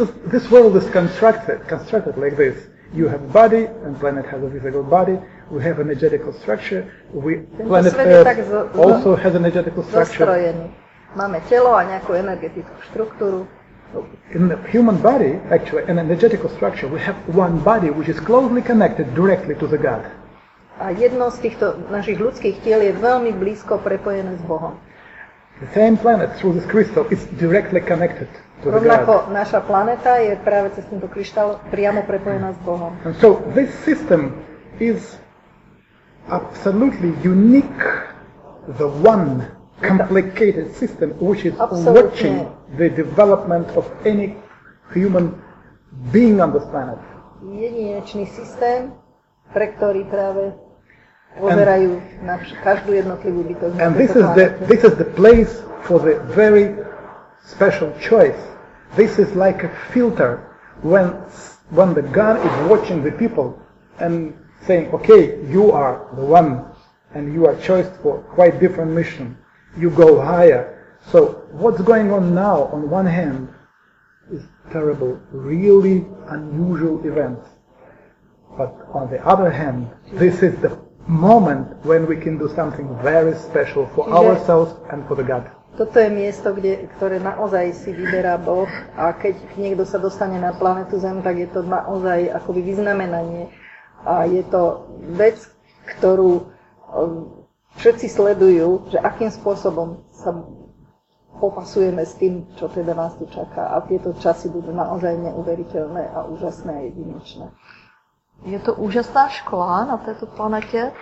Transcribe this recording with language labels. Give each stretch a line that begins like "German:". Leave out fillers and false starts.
English: This world is constructed like this. You have body, and planet has a physical body. We have an energetical structure. Planet Earth also has an energetical structure.
Slovak: Máme telo a nejakú energetickú štruktúru.
English: In the human body, actually, an energetical structure, we have one body which is closely connected directly to the God.
Slovak: A jedno z týchto našich ľudských tiel je veľmi blízko prepojené s Bohom.
English: The same planet through this crystal is directly connected to the God.
Slovak: Rovnako naša planéta je práve cez tento kryštál priamo prepojená s Bohom.
English: And so this system is absolutely unique, the one complicated system which is watching the development of any human being on this planet.
Slovak: Jedinečný systém, pre ktorý práve pozerajú na každú jednotlivú bytosť.
English: And this is the place for the very special choice. This is like a filter when the God is watching the people and saying, okay, you are the one and you are chosen for quite different mission. You go higher. So what's going on now, on one hand, is terrible, really unusual events. But on the other hand, this is the moment when we can do something very special for ourselves and for the God.
Slovak: Toto je miesto, kde, ktoré naozaj si vyberá Boh, a keď niekto sa dostane na planetu Zem, tak je to naozaj akoby vyznamenanie. A je to vec, ktorú všetci sledujú, že akým spôsobom sa popasujeme s tým, čo teda nás tu čaká. A tieto časy budú naozaj neuveriteľné a úžasné a jedinečné.
Czech: Je to úžasná škola na této planetě.